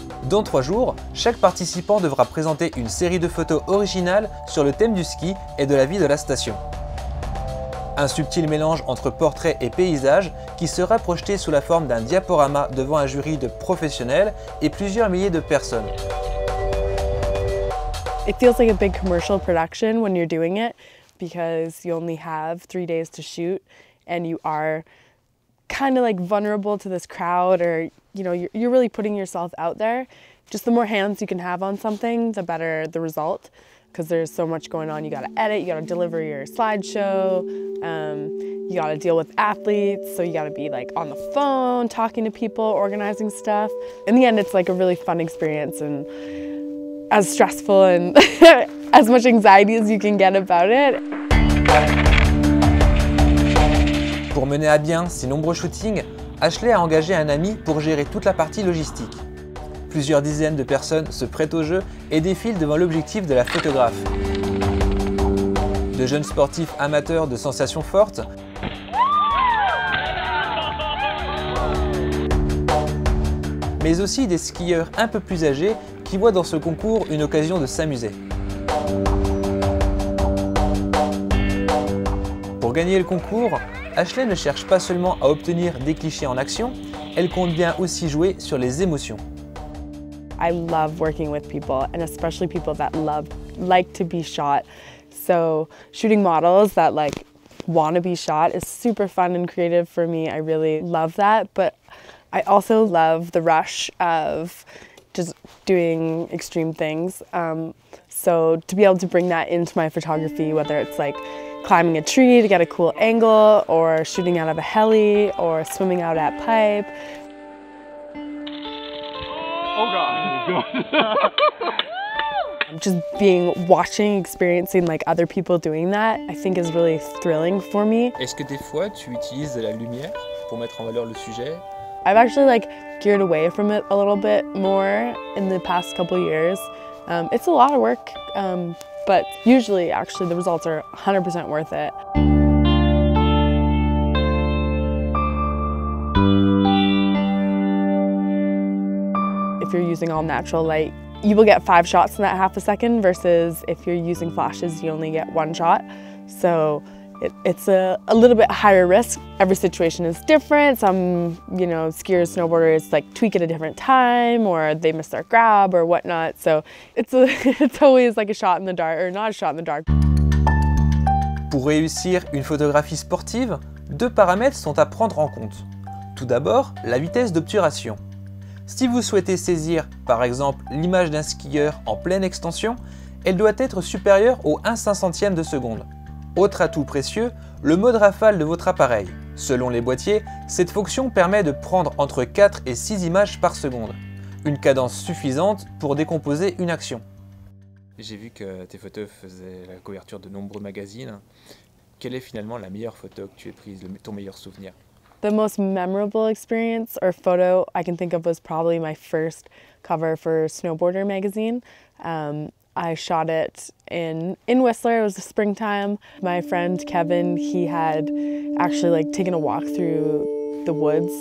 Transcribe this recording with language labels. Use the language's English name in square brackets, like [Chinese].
[French] Dans 3 jours, chaque participant devra présenter une série de photos originales sur le thème du ski et de la vie de la station. Un subtil mélange entre portrait et paysage qui sera projeté sous la forme d'un diaporama devant un jury de professionnels et plusieurs milliers de personnes. [English] It feels like a big commercial production when you're doing it because you only have 3 days to shoot and you are kind of like vulnerable to this crowd or you know you're really putting yourself out there. Just the more hands you can have on something, the better the result. Because there's so much going on, you gotta edit, you gotta deliver your slideshow, you gotta deal with athletes, so you gotta be like on the phone, talking to people, organizing stuff. In the end, it's like a really fun experience and as stressful and as much anxiety as you can get about it. [French] Pour mener à bien ces nombreux shootings, Ashley a engagé un ami pour gérer toute la partie logistique. Plusieurs dizaines de personnes se prêtent au jeu et défilent devant l'objectif de la photographe. De jeunes sportifs amateurs de sensations fortes mais aussi des skieurs un peu plus âgés qui voient dans ce concours une occasion de s'amuser. Pour gagner le concours, Ashley ne cherche pas seulement à obtenir des clichés en action, elle compte bien aussi jouer sur les émotions. [English] I love working with people and especially people that like to be shot. So shooting models that like want to be shot is super fun and creative for me. I really love that, but I also love the rush of just doing extreme things. So to be able to bring that into my photography, whether it's like climbing a tree to get a cool angle or shooting out of a heli or swimming out at pipe. Just being watching, experiencing like other people doing that, I think is really thrilling for me. [French] Est-ce que des fois tu utilises de la lumière pour mettre en valeur le sujet? [English] I've actually like geared away from it a little bit more in the past couple years. It's a lot of work, but usually actually the results are 100% worth it. If you're using all natural light, you will get 5 shots in that half a second versus if you're using flashes, you only get 1 shot. So it's a little bit higher risk. Every situation is different. Some, you know, skiers, snowboarders like tweak at a different time or they miss their grab or whatnot. So it's always like a shot in the dark or not a shot in the dark. [French] Pour réussir une photographie sportive, 2 paramètres sont à prendre en compte. Tout d'abord, la vitesse d'obturation. Si vous souhaitez saisir, par exemple, l'image d'un skieur en pleine extension, elle doit être supérieure au 1/500 de seconde. Autre atout précieux, le mode rafale de votre appareil. Selon les boîtiers, cette fonction permet de prendre entre 4 et 6 images par seconde. Une cadence suffisante pour décomposer une action. J'ai vu que tes photos faisaient la couverture de nombreux magazines. Quelle est finalement la meilleure photo que tu aies prise, ton meilleur souvenir ? [English] The most memorable experience or photo I can think of was probably my first cover for Snowboarder magazine. I shot it in Whistler, it was the springtime. My friend Kevin, he had actually like taken a walk through the woods.